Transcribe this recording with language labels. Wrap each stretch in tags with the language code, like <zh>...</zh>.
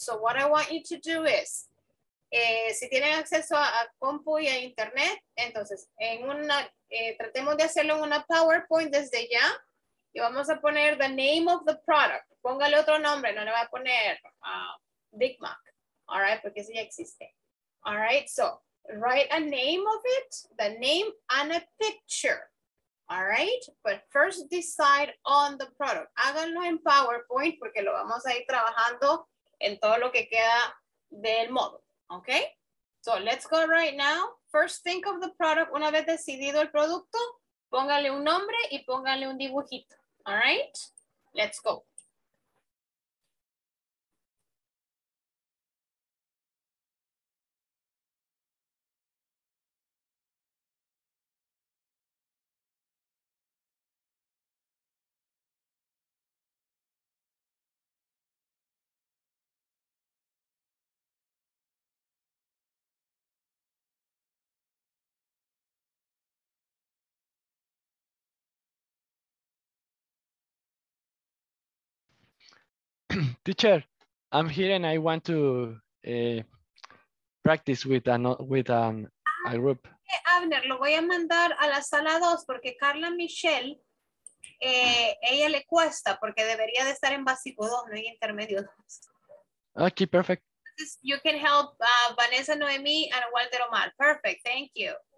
<en>So what I want you to do is,</en> <es>si tienen acceso a compu y a internet, entonces en una, tratemos de hacerlo en una PowerPoint desde ya, y vamos a poner</es> <en>the name of the product.</en> <es>Póngale otro nombre, no le voy a poner Big Mac, all right? Porque eso ya existe.</es> <en>All right, so write a name of it, the name and a picture. All right, but first decide on the product.</en> <es>Háganlo en PowerPoint porque lo vamos a ir trabajando en todo lo que queda del módulo, okay?</es> <en>So let's go right now. First think of the product.</en> <es>Una vez decidido el producto, póngale un nombre y póngale un dibujito.</es> <en>All right, let's go. Teacher, I'm here and I want to practice with a group.</en> <es>Abner, lo voy a mandar a la sala 2 porque Carla Michelle, ella le cuesta porque debería de estar en básico 2, no en intermedio</es> <en>2. Okay, perfect. You can help Vanessa, Noemi, and Walter Omar. Perfect, thank you.</en>